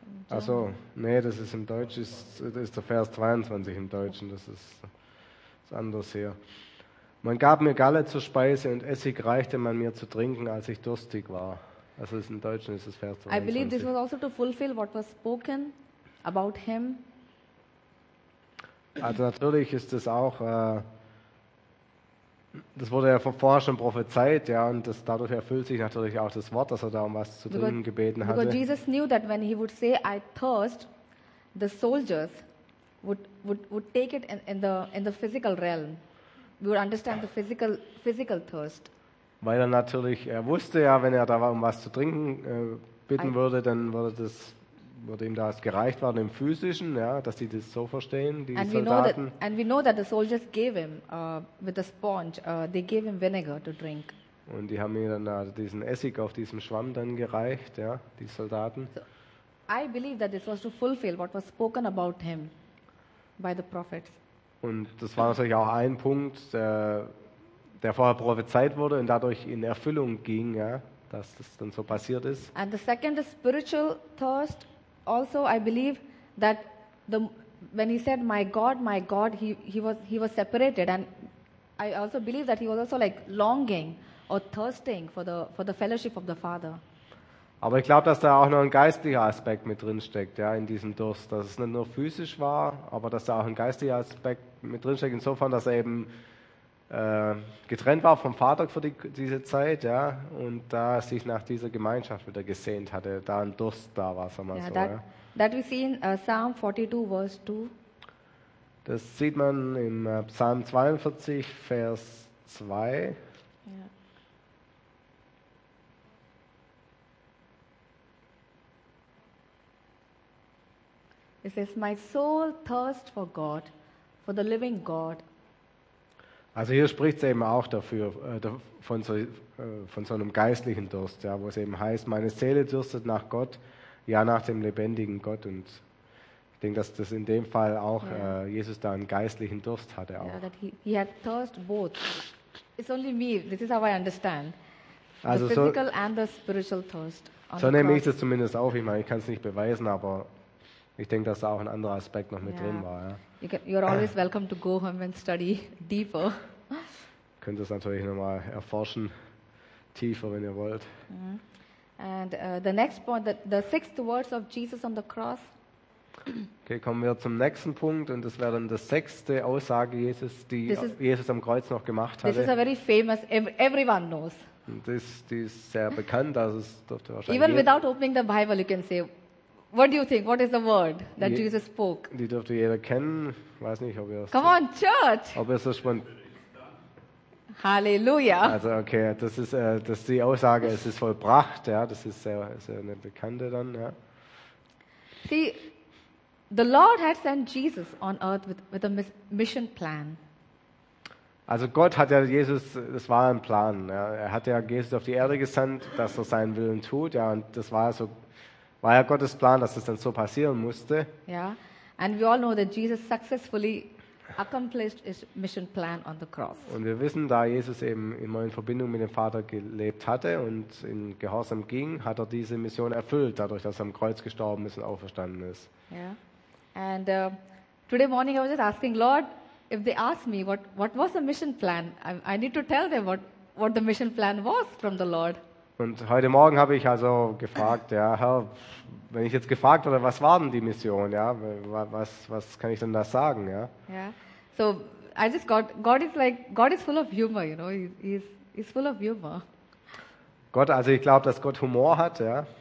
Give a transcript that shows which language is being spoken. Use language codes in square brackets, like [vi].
[de] Achso, nee, das ist im Deutschen, das ist der Vers 22 im Deutschen, das ist das anders hier. Man gab mir Galle zur Speise und Essig reichte man mir zu trinken, als ich durstig war. Also ist im Deutschen ist das Vers 22. [en] I believe this was also to fulfill what was spoken about him. [de] Also natürlich ist das auch das wurde ja vorher schon prophezeit, ja, und das, dadurch erfüllt sich natürlich auch das Wort, dass er da um was zu trinken gebeten hatte. [en] Because Jesus knew that when he would say I thirst, the soldiers would take it in the physical realm. We would understand the physical thirst. [de] Weil er natürlich, er wusste ja, wenn er da um was zu trinken bitten würde, dann würde das wurde ihm das gereicht worden im Physischen, ja, dass die das so verstehen, die [en] and [de] Soldaten. [en] And we know that the soldiers gave him with a sponge, they gave him vinegar to drink. [de] Und die haben ihm dann diesen Essig auf diesem Schwamm dann gereicht, ja, die Soldaten. [en] So, I believe that this was to fulfill what was spoken about him by the prophets. [de] Und das war natürlich auch ein Punkt, der vorher prophezeit wurde und dadurch in Erfüllung ging, ja, dass das dann so passiert ist. [en] And the second is spiritual thirst. Also, I believe that when he said, my God, he was separated. And I also believe that he was also like longing or thirsting for the fellowship of the Father. [de] Aber ich glaube, dass da auch noch ein geistlicher Aspekt mit drin steckt, ja, in diesem Durst. Dass es nicht nur physisch war, aber dass da auch ein geistlicher Aspekt mit drin steckt, insofern, dass er eben getrennt war vom Vater für diese Zeit, ja, und da sich nach dieser Gemeinschaft wieder gesehnt hatte, da ein Durst da war, sagen wir so. [en] That we see in Psalm 42, verse 2. [de] Das sieht man im Psalm 42, Vers 2. [en] Yeah. It says, my soul thirsts for God, for the living God. [de] Also hier spricht es eben auch dafür, von so einem geistlichen Durst, ja, wo es eben heißt, meine Seele dürstet nach Gott, ja, nach dem lebendigen Gott. Und ich denke, dass das in dem Fall auch Jesus da einen geistlichen Durst hatte. Auch. [en] Yeah, that he had thirst both. It's only me, this is how I understand. [de] Also [en] the physical and the spiritual thirst. [de] So nehme ich das zumindest auf. Ich meine, ich kann es nicht beweisen, aber ich denke, dass da auch ein anderer Aspekt noch mit drin war. Ja. [en] You're always welcome to go home and study deeper. [de] Könnt es natürlich nochmal erforschen, tiefer, wenn ihr wollt. [en] And the next point, the sixth words of Jesus on the cross. [de] Okay, kommen wir zum nächsten Punkt und das wäre dann die sechste Aussage Jesus, die Jesus am Kreuz noch gemacht hatte. [en] This is a very famous, everyone knows. [de] Die ist sehr bekannt, also es dürfte wahrscheinlich. [en] Even without opening the Bible, you can say, what do you think? What is the word that Jesus spoke? [de] Die dürfte jeder kennen. Weiß nicht, ob ihr es. [en] Come on, church! [de] Ob ihr es so Halleluja! Also, okay, das ist die Aussage, es ist vollbracht, ja, das ist sehr, sehr eine bekannte dann, ja. [en] See, the Lord had sent Jesus on earth with a mission plan. [de] Also Gott hat ja Jesus, das war ein Plan. Ja. Er hat ja Jesus auf die Erde gesandt, dass er seinen Willen tut. Ja, und das war so, war ja Gottes Plan, dass es dann so passieren musste. [en] Ja, and we all know that Jesus successfully accomplished his mission plan on the cross. [de] Und wir wissen, da Jesus eben immer in Verbindung mit dem Vater gelebt hatte und in Gehorsam ging, hat er diese Mission erfüllt, dadurch, dass er am Kreuz gestorben ist und auferstanden ist. [en] Ja, and today morning I was just asking Lord. If they ask me what was the mission plan, I need to tell them what the mission plan was from the Lord. [de] Und heute Morgen habe ich also gefragt, ja, Herr, wenn ich jetzt gefragt wurde, was war denn die Mission, ja, was kann ich denn da sagen, ja? [en] Yeah. So I just got God is full of humor, you know. He's full of humor. [de] Gott, also ich glaube, dass Gott Humor hat, ja.